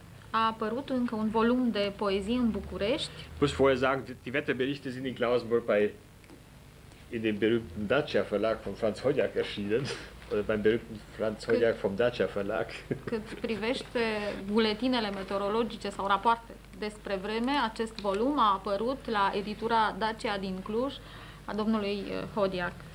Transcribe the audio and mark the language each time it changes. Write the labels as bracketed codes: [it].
[ro] A apărut încă un volum de poezii în București. [de] Ich muss vorher sagen, die Wetterberichte sind in Klausenburg in dem berühmten Dacia Verlag von Franz Hodiak erschienen. Oder beim berühmten Franz Hodiak vom Dacia Verlag. [ro] Cât privește buletinele meteorologice sau rapoarte despre vreme, acest volum a apărut la editura Dacia din Cluj a domnului Hodiak.